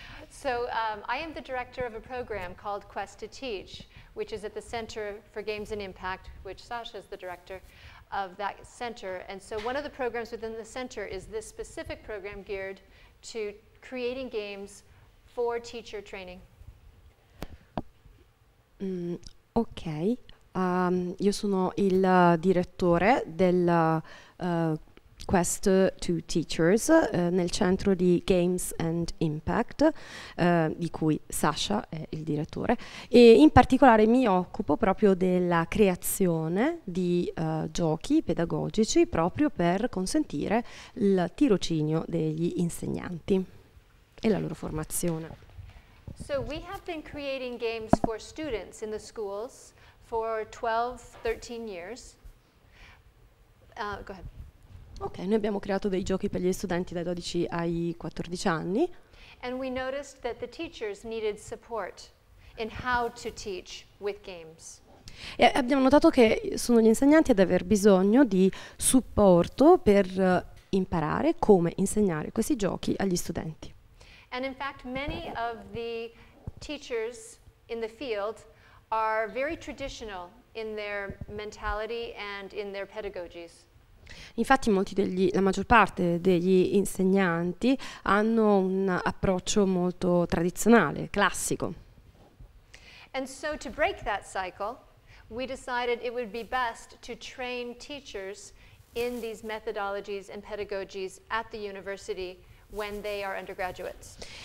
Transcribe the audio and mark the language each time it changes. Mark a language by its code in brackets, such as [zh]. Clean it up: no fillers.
[en] So I am the director of a program called Quest to Teach, which is at the Center for Games and Impact, which Sasha is the director of that center. And so one of the programs within the center is this specific program geared to creating games for teacher training. Okay. [it] Io sono il direttore del Quest to Teachers, nel centro di Games and Impact, di cui Sasha è il direttore, e in particolare mi occupo proprio della creazione di giochi pedagogici proprio per consentire il tirocinio degli insegnanti e la loro formazione. [en] So we have been creating games for students in the schools for 12-13 years. Go ahead. [it] Ok, noi abbiamo creato dei giochi per gli studenti dai 12 ai 14 anni. [en] And we noticed that the teachers needed support in how to teach with games. [it] E abbiamo notato che sono gli insegnanti ad aver bisogno di supporto per imparare come insegnare questi giochi agli studenti. [en] And in fact, many of the teachers in the field are very traditional in their mentality and in their pedagogies. [it] Infatti la maggior parte degli insegnanti hanno un approccio molto tradizionale, classico. [en] And so to break that cycle, we decided it would be best to train teachers in these methodologies and pedagogies at the university when they are undergraduates.